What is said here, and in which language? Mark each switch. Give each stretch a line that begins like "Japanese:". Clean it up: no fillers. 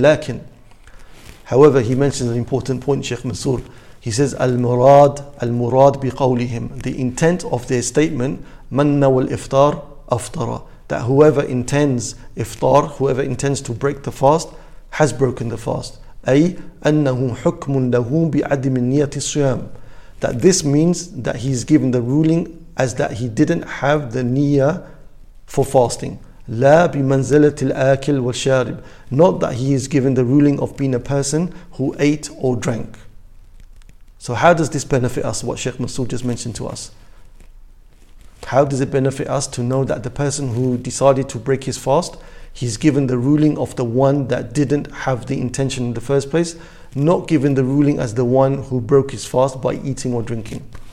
English: لكن, however, he mentions an important point, Sheikh Mansur. He says,
Arabic: المراد, المراد بقولهم,
English: the intent of their statement,
Arabic: مَنَّ وَالْإِفْطَارِ أَفْطَرَ,
English: that whoever intends iftar, whoever intends to break the fast, has broken the fast.
Arabic: أي أنه حكم له بعدم نية الصيام.
English: That this means that he is given the ruling as that he didn't have the niyyah for fasting.
Arabic: لا بمنزلة الآكل والشارب.
English: Not that he is given the ruling of being a person who ate or drank. So how does this benefit us, what Sheikh Masood just mentioned to us? How does it benefit us to know that the person who decided to break his fast, he's given the ruling of the one that didn't have the intention in the first place, not given the ruling as the one who broke his fast by eating or drinking.